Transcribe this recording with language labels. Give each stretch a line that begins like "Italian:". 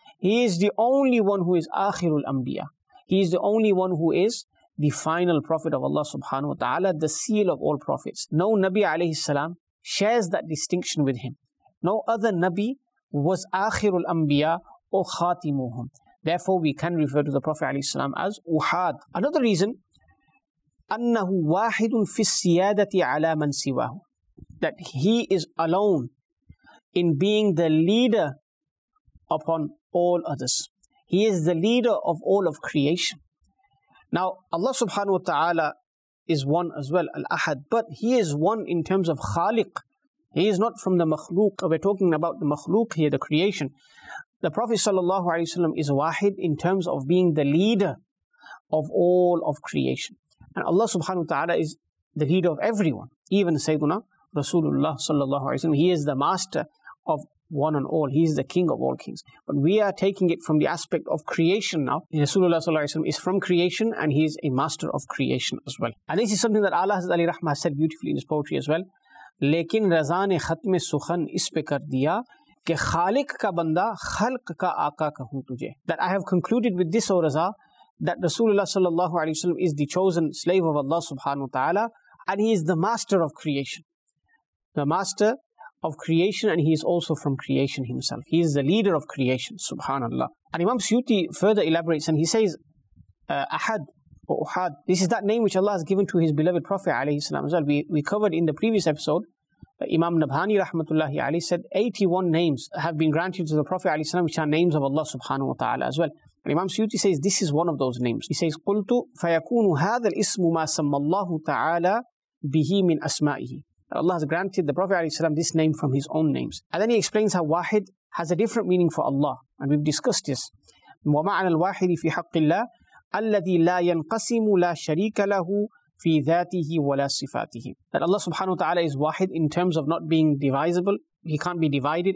English: He is the only one who is Akhirul Anbiya. He is the only one who is the final prophet of Allah subhanahu wa ta'ala, the seal of all prophets. No Nabi alayhi salam shares that distinction with him. No other Nabi was Akhirul Anbiya or Khatimuhum. Therefore we can refer to the Prophet alayhi salam as Uhad. Another reason,
Arabic: أَنَّهُ وَاحِدٌ فِي السِّيَادَةِ عَلَى مَنْ سِوَاهُ.
English: That he is alone in being the leader upon all others. He is the leader of all of creation. Now, Allah subhanahu wa ta'ala is one as well, Al-Ahad. But he is one in terms of Khaliq. He is not from the makhluq. We're talking about the makhluq here, the creation. The Prophet sallallahu alayhi wa sallam is wahid in terms of being the leader of all of creation. And Allah subhanahu wa ta'ala is the leader of everyone, even Sayyiduna Rasulullah sallallahu alayhi wa sallam. He is the master of one and all. He is the king of all kings. But we are taking it from the aspect of creation now. Rasulullah is from creation and he is a master of creation as well. And this is something that Allah Hazrat Ali Rahma said beautifully in his poetry as well.
Urdu: لیکن رزان ختم سخن اس پہ کر دیا کہ خالق کا بندہ خلق کا آقا کہوں تجھے.
English: That I have concluded with this, O Raza, that Rasulullah sallallahu alayhi wa sallam is the chosen slave of Allah subhanahu wa ta'ala and he is the master of creation. The master of creation and he is also from creation himself. He is the leader of creation, subhanallah. And Imam Suyuti further elaborates and he says, Ahad, or Uhad, this is that name which Allah has given to his beloved Prophet alayhi salam as well. We covered in the previous episode, Imam Nabhani rahmatullahi alayhi said 81 names have been granted to the Prophet alayhi salam, which are names of Allah subhanahu wa ta'ala as well. And Imam Suyuti says this is one of those names. He says,
Arabic: قُلْتُ فَيَكُونُ هَذَا الْإِسْمُ مَا سَمَّ اللَّهُ تَعَالَى بِهِ مِنْ أَسْمَائِهِ.
English: Allah has granted the Prophet alayhi salam this name from his own names. And then he explains how Wahid has a different meaning for Allah. And we've discussed this.
Arabic: وَمَعْنَى الْوَاحِدِ فِي حَقِّ اللَّهِ الَّذِي لَا يَنْقَسِمُ لَا شَرِيكَ لَهُ فِي ذَاتِهِ وَلَا صِفَاتِهِ.
English: That Allah subhanahu wa ta'ala is wahid in terms of not being divisible. He can't be divided.